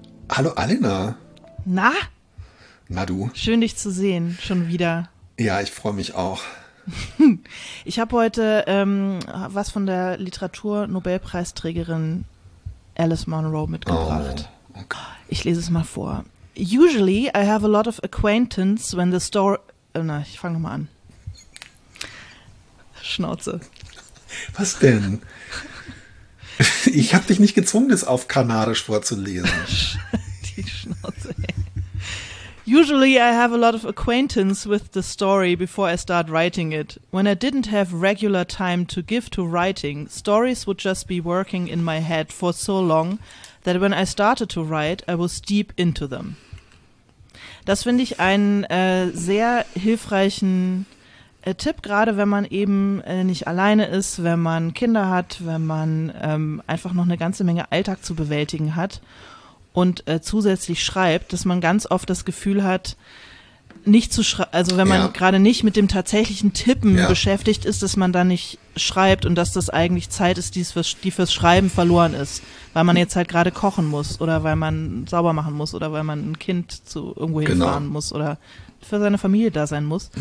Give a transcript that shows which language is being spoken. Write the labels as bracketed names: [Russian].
[German] Hallo Alina. Na? Na du. Schön dich zu sehen, schon wieder. Ja, ich freue mich auch. Ich habe heute was von der Literatur-Nobelpreisträgerin Alice Munro mitgebracht. Oh, okay. Ich lese es mal vor. [English] Usually I have a lot of acquaintance when the story... [German] ich fange nochmal an. Schnauze. Was denn? Ich habe dich nicht gezwungen, das auf Kanarisch vorzulesen. Die Schnauze. [English] Usually I have a lot of acquaintance with the story before I start writing it. When I didn't have regular time to give to writing, stories would just be working in my head for so long that when I started to write, I was deep into them. [German] Das finde ich einen sehr hilfreichen Tipp, gerade wenn man eben nicht alleine ist, wenn man Kinder hat, wenn man einfach noch eine ganze Menge Alltag zu bewältigen hat. Und zusätzlich schreibt, dass man ganz oft das Gefühl hat, nicht zu schreiben, also wenn man gerade nicht mit dem tatsächlichen Tippen beschäftigt ist, dass man da nicht schreibt und dass das eigentlich Zeit ist, die fürs Schreiben verloren ist, weil man jetzt halt gerade kochen muss oder weil man sauber machen muss oder weil man ein Kind zu irgendwo hinfahren muss oder für seine Familie da sein muss.